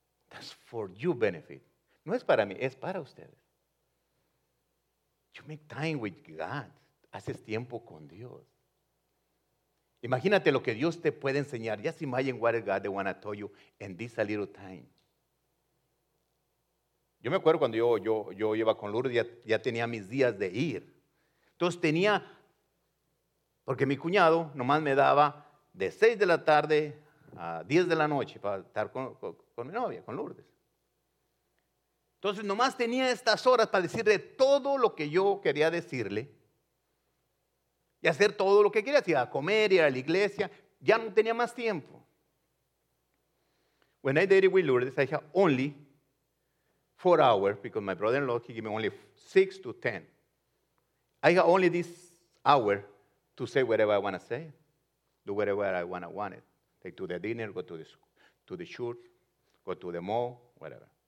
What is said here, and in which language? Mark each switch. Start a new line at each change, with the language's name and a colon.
English: That's for you benefit.
Spanish: No es para mí, es para ustedes.
English: You make time with God.
Spanish: Haces tiempo con Dios. Imagínate lo que Dios te puede enseñar.
English: Just imagine what God they want to tell you in this a little time.
Spanish: Yo me acuerdo cuando yo iba con Lourdes, ya tenía mis días de ir. Entonces tenía, porque mi cuñado nomás me daba de 6 de la tarde a 10 de la noche para estar con mi novia, con Lourdes. Entonces nomás tenía estas horas para decirle todo lo que yo quería decirle y hacer todo lo que quería, si iba a comer, ir a la iglesia, ya no tenía más tiempo.
English: When I dated with Lourdes, I had only 4 hours because my brother-in-law, he gave me only 6 to 10. I had only this hour to say whatever I want to say, do whatever I wanted. Take to the dinner, go to the church, go to the mall, whatever.